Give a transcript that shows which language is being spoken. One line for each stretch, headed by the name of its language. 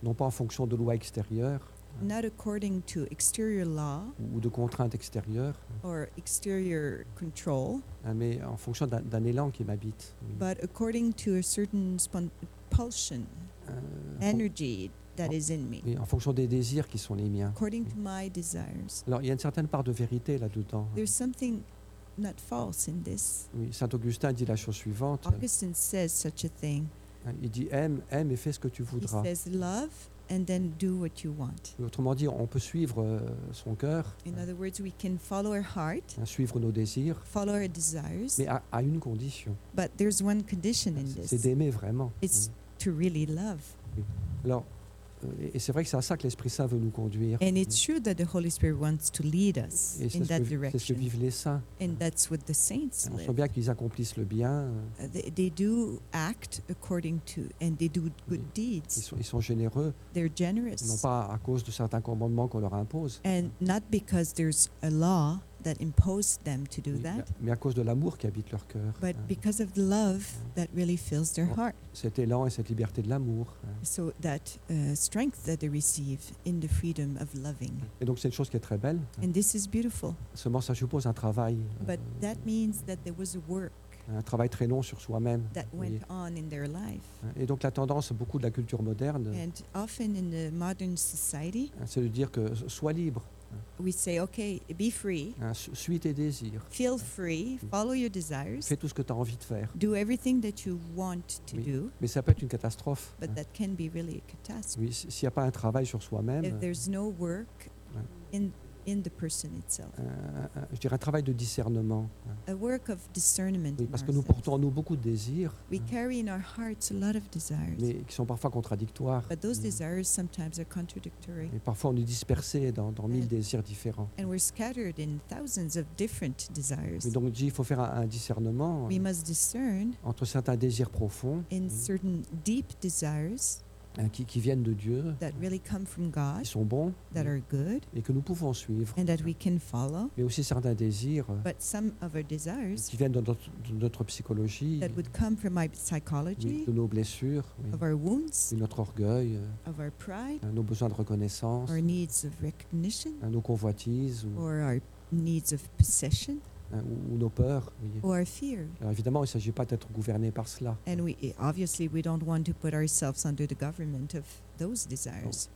French: Non pas en fonction de lois extérieures.
English: Not according to exterior law.
French: Ou de contraintes extérieures.
English: Or exterior control.
French: Mais en fonction d'un élan qui m'habite.
English: But according to a certain pulsion, energy that is in me.
French: En fonction des désirs qui sont les miens.
English: According to my desires.
French: Alors il y a une certaine part de vérité là-dedans.
English: There's something not false in this.
French: Oui, Saint Augustin dit la chose suivante.
English: Augustine says such a thing.
French: Il dit aime et fais ce que tu voudras.
English: He says love and then do what you want.
French: Autrement dit, on peut suivre son cœur.
English: In other words, we can follow our heart.
French: Suivre nos désirs.
English: Follow our desires.
French: Mais à une condition.
English: But there's one condition in this.
French: C'est d'aimer vraiment.
English: It's to really love.
French: Oui. Alors, et c'est vrai que c'est à ça que l'Esprit Saint veut nous conduire.
English: And it's true that the Holy Spirit wants to lead us in that direction.
French: C'est ce que vivent les saints.
English: And that's what the saints live.
French: On sent bien qu'ils accomplissent le bien.
English: They do act according to and they do good deeds.
French: Ils sont généreux.
English: They're generous.
French: Non pas à cause de certains commandements qu'on leur impose.
English: And not because there's a law that imposed them to do that.
French: Mais à cause de l'amour qui habite leur cœur.
English: But because of the love that really fills their heart.
French: Cet élan et cette liberté de l'amour.
English: So that strength that they receive in the freedom of loving.
French: Et donc c'est une chose qui est très belle.
English: And this is beautiful.
French: Seulement ça suppose un travail.
English: But that means that there was a work.
French: Un travail très long sur soi-même.
English: That went on in their life.
French: Et donc la tendance beaucoup de la culture moderne.
English: And often in the modern society.
French: C'est de dire que sois libre.
English: We say, okay, be free.
French: Suis tes désirs.
English: Feel free. Follow your desires.
French: Fais tout ce que tu as envie de faire.
English: Do everything that you want to do.
French: Mais ça peut être une catastrophe.
English: But that can be really a catastrophe.
French: Oui, s'il n'y a pas un travail sur soi-même.
English: If there's no work in the person itself.
French: Je dirais un travail de discernement.
English: A work of discernment.
French: Oui, parce que nous portons en nous beaucoup de désirs.
English: We carry in our hearts a lot of desires.
French: Mais qui sont parfois contradictoires.
English: But those desires sometimes are contradictory.
French: Et parfois on est dispersé dans mille désirs différents.
English: And we're scattered in thousands of different desires.
French: Mais donc il faut faire un discernement.
English: We must discern
French: entre certains désirs profonds.
English: In certain deep desires.
French: Qui viennent de Dieu,
English: that really come from God,
French: qui sont bons,
English: that are good,
French: et que nous pouvons suivre,
English: and that we can follow,
French: mais aussi certains désirs,
English: but some of our desires,
French: qui viennent de notre psychologie,
English: that would come from my psychology,
French: de nos blessures,
English: of our wounds,
French: de notre orgueil,
English: of our pride,
French: nos besoins de reconnaissance,
English: our needs of recognition,
French: nos convoitises,
English: or our needs of possession.
French: Ou nos peurs.
English: Or our fear.
French: Alors évidemment, il ne s'agit pas d'être gouverné par cela.
English: And we obviously we don't want to put ourselves under the government of those desires.